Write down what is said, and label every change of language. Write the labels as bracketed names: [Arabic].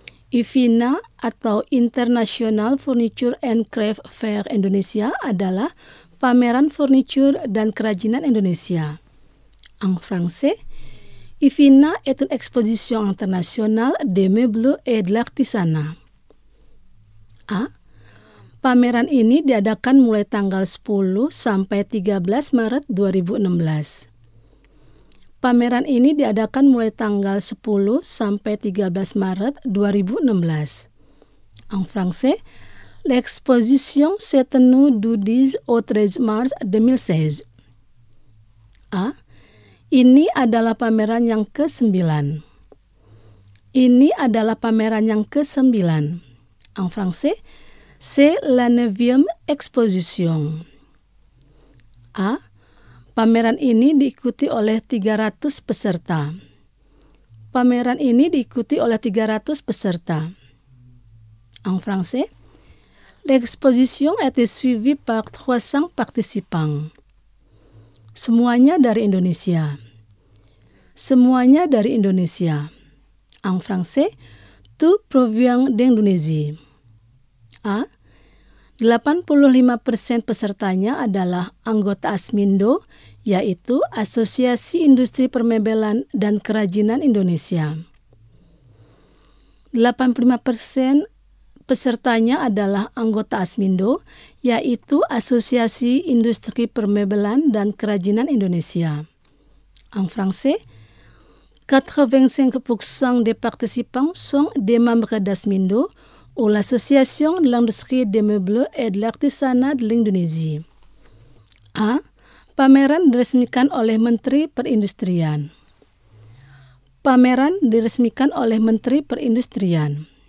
[Indonesian] IFINA atau International Furniture and Craft Fair Indonesia adalah pameran furniture dan kerajinan Indonesia. [French] En français, IFINA est une exposition internationale des meubles et de l'artisanat. A. [Indonesian] Pameran ini diadakan mulai tanggal 10 sampai 13 Maret 2016. Pameran ini diadakan mulai tanggal 10 sampai 13 Maret 2016. [French] En français, l'exposition s'est tenue du 10 au 13 mars 2016. A. [Indonesian] Ini adalah pameran yang ke-9. Ini adalah pameran yang ke-9. [French] En français, c'est la 9e exposition. A. [Indonesian] Pameran ini diikuti oleh 300 peserta. Pameran ini diikuti oleh 300 peserta. [French] En français, l'exposition a été suivie par 300 participants. [Indonesian] Semuanya dari Indonesia. Semuanya dari Indonesia. [French] En français, tout provient d'Indonésie. A. [Indonesian] 85% pesertanya adalah anggota ASMINDO, yaitu Asosiasi Industri Permebelan dan Kerajinan Indonesia. 85% pesertanya adalah anggota ASMINDO, yaitu Asosiasi Industri Permebelan dan Kerajinan Indonesia. [French] En français, 85% des participants sont des membres d'ASMINDO ou l'Association de l'Industrie des Meubles et de l'Artisanat de l'Indonésie. A. [Indonesian] Pameran diresmikan oleh Menteri Perindustrian. Pameran diresmikan oleh Menteri Perindustrian.